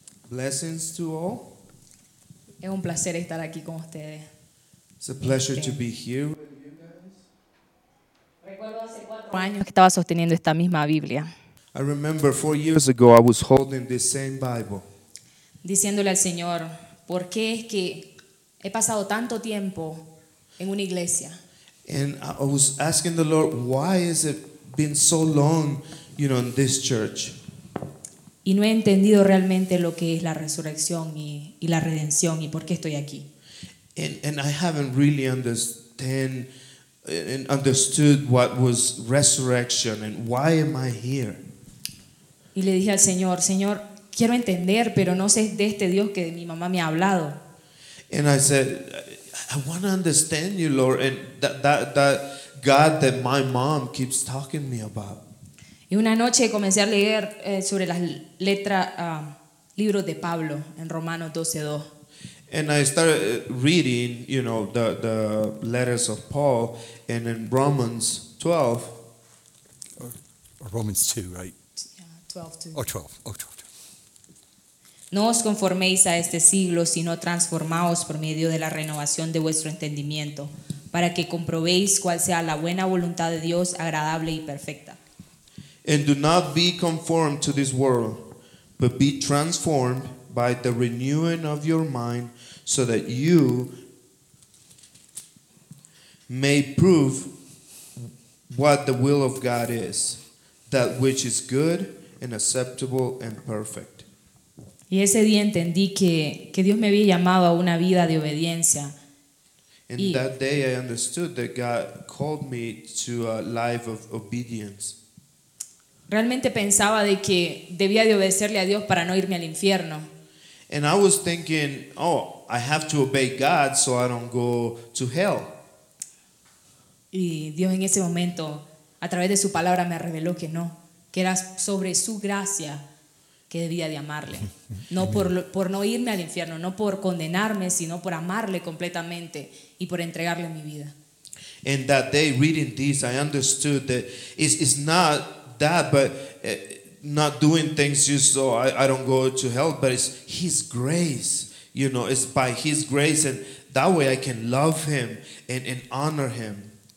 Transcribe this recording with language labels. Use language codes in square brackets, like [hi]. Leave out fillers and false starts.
[en] Blessings to all. [es] Es un placer estar aquí con ustedes. [en] It's a pleasure to be here. I remember 4 years ago I was holding this same Bible. [es] Diciéndole al Señor, ¿por qué es que he pasado tanto tiempo en una iglesia? [en] And I was asking the Lord, why has it been so long, you know, in this church? [es] Y no he entendido realmente lo que es la resurrección y la redención y por qué estoy aquí. [en] And I haven't really understood what was resurrection and why am I here? [es] Y le dije al Señor, Señor, quiero entender, pero no sé de este Dios que mi mamá me ha hablado. [en] And I said, I want to understand you, Lord, and that God that my mom keeps talking me about. [es] Y una noche comencé a leer sobre las letras libros de Pablo en Romanos 12:2. [en] And I started reading, you know, the letters of Paul, and in Romans 12. Or Romans 2, right? Yeah, 12:2. Or 12. [es] No os conforméis a este siglo, sino transformaos por medio de la renovación de vuestro entendimiento, para que comprobéis cuál sea la buena voluntad de Dios, agradable y perfecta. [en] And do not be conformed to this world, but be transformed by the renewing of your mind, so that you may prove what the will of God is, that which is good and acceptable and perfect. [es] Y ese día entendí que Dios me había llamado a una vida de obediencia. [en] And that day I understood that God called me to a life of obedience. [es] Realmente pensaba de que debía de obedecerle a Dios para no irme al infierno. [en] And I was thinking, oh, I have to obey God so I don't go to hell. [es] Y Dios en ese momento, a través de su palabra, me reveló que no, que era sobre su gracia que debía de amarle. No por no irme al infierno, no por condenarme, sino por amarle completamente y por entregarle mi vida. [en] And that day, reading this, I understood that it's not that, but not doing things just so I don't go to hell, but it's His grace. You know, it's by His grace, and that way I can love Him and honor Him.